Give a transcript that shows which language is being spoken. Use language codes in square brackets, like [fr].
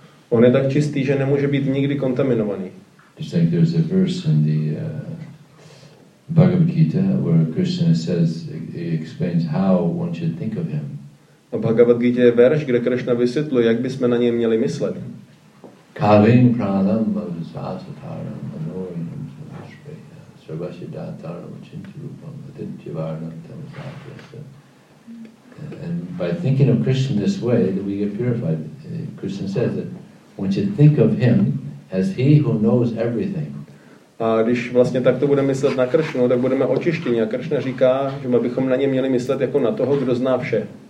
[cs] On je tak čistý, že nemůže být nikdy kontaminovaný. [en] Just like there's a verse in the Bhagavad Gita where Krishna says, he explains how one should think of him. [cs] A Bhagavad Gita je verš, kde Krishna vysvětluje, jak bychom na něj měli myslet. [sa] Kavim pranam madhusasataram anoyam sarvashreya sarvashidataram chintarupam adityavarnam tamasatyasa. [en] And by thinking of Krishna this way, that we get purified. Krishna says that one should think of him as he who knows everything. [cs] A když vlastně takto budeme myslet na Krishnu, tak budeme očištěni. A Krishna říká, že my bychom na něj měli myslet jako na toho, kdo zná vše.